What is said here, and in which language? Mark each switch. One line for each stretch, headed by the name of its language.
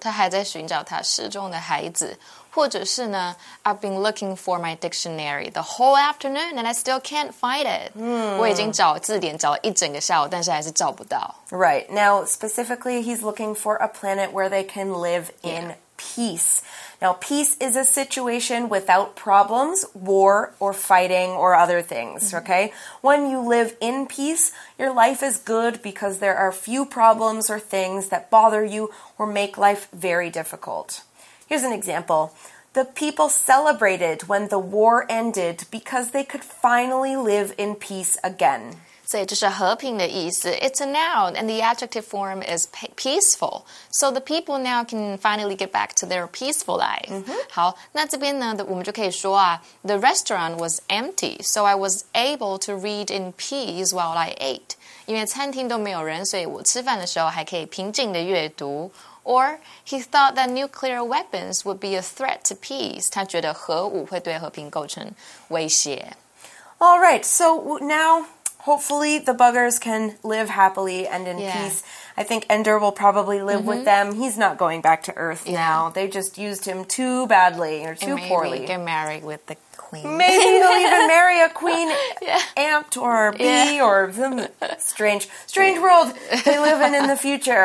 Chinese: 她还在寻找她失踪的孩子。或者是呢
English: I've been looking for my dictionary the whole afternoon and I still can't find it.
Chinese: 我已经找字典找了一整个下午但是还是找不到。
English: Right. Now, specifically, he's looking for a planet where they can live in peace. Now, peace is a situation without problems, war, or fighting, or other things, okay? When you live in peace, your life is good because there are few problems or things that bother you or make life very difficult. Here's an example. The people celebrated when the war ended because they could finally live in peace again.
Chinese: 所以这是和平的意思。
English: It's a noun, and the adjective form is peaceful. So the people now can finally get back to their peaceful life.
Chinese: 好，那这边呢，我们就可以说啊
English: ,the restaurant was empty, so I was able to read in peace while I ate.
Chinese: 因为餐厅都没有人，所以我吃饭的时候还可以平静的阅读。
English: Or, he thought that nuclear weapons would be a threat to peace.
Chinese: 他觉得核武会对和平构成威胁。
English: All right, so now... Hopefully, the buggers can live happily and in peace. I think Ender will probably live with them. He's not going back to Earth now. They just used him too badly or too poorly. Maybe get married with the queen. Maybe he'll even marry a queen ant or bee or some strange world they live in the future.